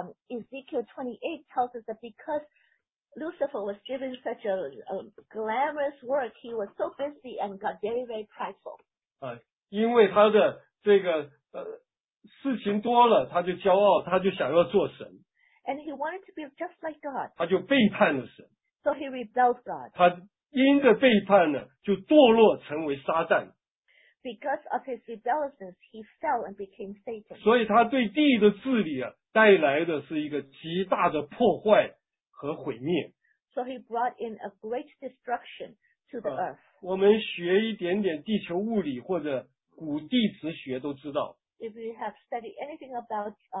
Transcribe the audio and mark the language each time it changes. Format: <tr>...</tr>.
<en>Ezekiel 28 tells us that because Lucifer was given such a glamorous work, he was so busy and got very, very prideful.</en> <zh>因为他的这个事情多了他就骄傲他就想要做神。</zh> <en>And he wanted to be just like God.</en> <zh>他就背叛了神。</zh> <en>So he rebelled God.</en> <zh>他因着背叛呢就堕落成为撒旦。</zh> <en>Because of his rebelliousness, he fell and became Satan.</en> <zh>所以他对地的治理啊带来的是一个极大的破坏和毁灭。</zh> <en>So he brought in a great destruction to the earth.</en> <zh>我们学一点点地球物理或者古地质学都知道。</zh> <en>If you have studied anything about,</en>